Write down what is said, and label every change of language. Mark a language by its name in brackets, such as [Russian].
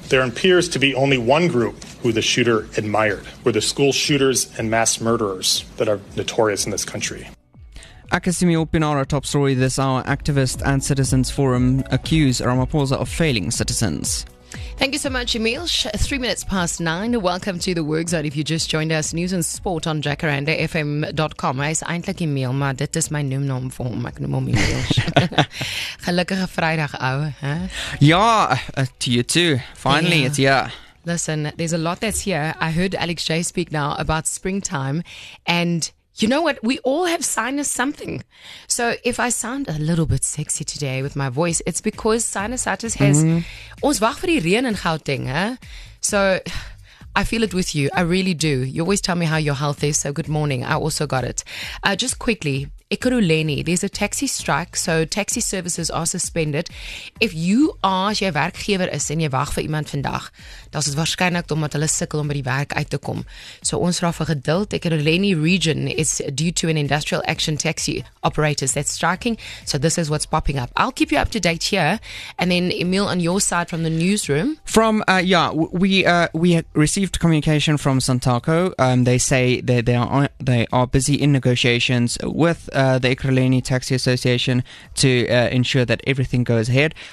[English] There appears to be only one group who the shooter admired, were the school shooters and mass murderers that are notorious in this country. [Afrikaans] Ek is [English] Simeon Pinar, top story this hour. Activist and Citizens Forum accuse Ramaphosa of failing citizens. Thank you so much, Emil. 9:03. Welcome to the Work Zone. If you just joined us, news and sport on jacarandafm.com. [Afrikaans] Hy is eintlik Emil, maar dit is my noemnaam vir hom. Ek noem hom Emil. Gelukkige Vrydag, ouwe. Huh? [English] Ja, to you too. Finally, yeah. It's yeah. Listen, there's a lot that's here. I heard Alex J speak now about springtime. And you know what? We all have sinus something. So if I sound a little bit sexy today with my voice, it's because sinusitis has... [Afrikaans] Ons wag vir die reën in Gauteng, hè? [English] So I feel it with you. I really do. You always tell me how your health is. So good morning. I also got it. Just quickly, Ekurhuleni, there's a taxi strike. So taxi services are suspended. If you are, [Afrikaans] as jy werkgewer is en jy wag vir iemand vandag, dan is dit waarskynlik omdat hulle sukkel om by die werk uit te kom. So ons vra vir geduld. [English] Ekurhuleni region is due to an industrial action taxi operators that's striking. So this is what's popping up. I'll keep you up to date here. And then Emil, on your side from the newsroom. We received communication from Santaco. They say that they are busy in negotiations with the Ekurhuleni Taxi Association to ensure that everything goes ahead.